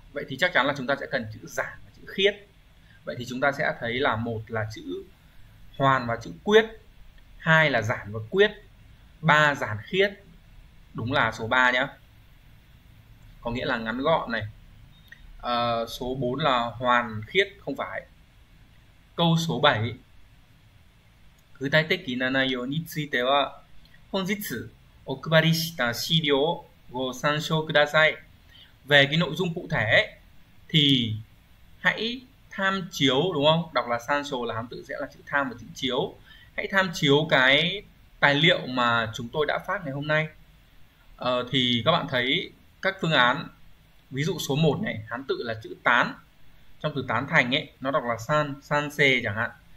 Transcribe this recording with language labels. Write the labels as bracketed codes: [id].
[vi] Vậy thì chắc chắn là chúng ta sẽ cần chữ giản và chữ khiết. Vậy thì chúng ta sẽ thấy là một là chữ hoàn và chữ quyết, hai là giản và quyết, ba giản khiết, đúng là số 3 nhé, có nghĩa là ngắn gọn này. Số 4 là hoàn khiết, không phải. Câu số 7, [ja] 具体的な内容については本日お配りした資料をご参照ください。 [vi] Về cái nội dung cụ thể thì hãy tham chiếu, đúng không, đọc là sancho, là hán tự sẽ là chữ tham và chữ chiếu. Hãy tham chiếu cái tài liệu mà chúng tôi đã phát ngày hôm nay. Thì các bạn thấy các phương án, ví dụ số 1 này, hán tự là chữ tán, trong từ tán thành ấy nó đọc là san, san xê chẳng hạn.